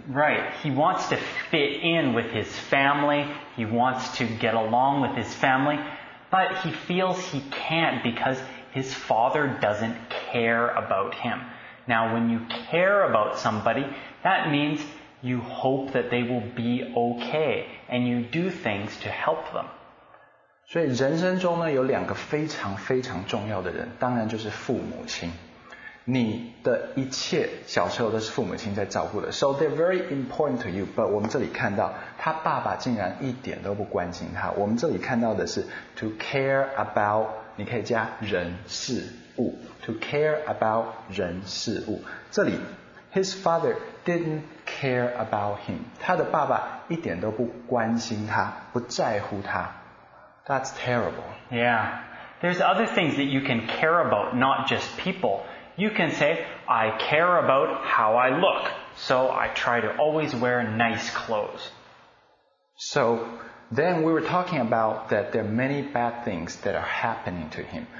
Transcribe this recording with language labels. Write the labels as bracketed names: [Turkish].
[English] Right, he wants to fit in with his family He wants to get along with his family But he feels he can't because his father doesn't care about himNow, when you care about somebody, that means you hope that they will be okay, and you do things to help them. [Chinese] 所以人生中呢，有两个非常非常重要的人，当然就是父母亲。你的一切小时候都是父母亲在照顾的。 [English] So they're very important to you, but [Chinese] 我们这里看到他爸爸竟然一点都不关心他。我们这里看到的是 to care about, 你可以加人事物。 [English] To care about [Chinese] 人事物。这里 [English] ,his father didn't care about him. [Chinese] 他的爸爸一点都不关心他不在乎他。 [English] That's terrible. Yeah. There's other things that you can care about, not just people. You can say, I care about how I look. So I try to always wear nice clothes. So then we were talking about that there are many bad things that are happening to him.